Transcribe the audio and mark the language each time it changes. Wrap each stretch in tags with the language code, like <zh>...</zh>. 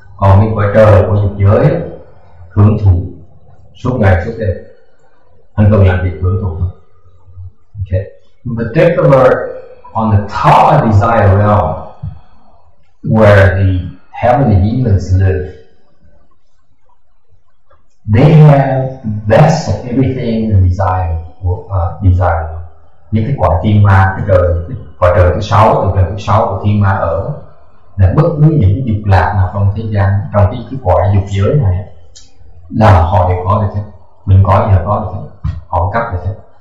<vi>Còn cái quả trời của dục giới, hưởng thụ suốt ngày suốt đêm, anh cần làm việc hưởng thụ.</vi> <en>Okay. In particular, on the top of desire realm, where the heavenly demons live, they have the best of everything in desire desire.</en> <vi>Những cái quả thiên ma trời thứ sáu, từ trời thứ sáu của thiên ma ở, là bất cứ những dục lạc nào trong thế gian, trong cái quả dục giới này, là họ đều có được hết. Mình có thì họ có được hết, họ cấp được hết.</vi>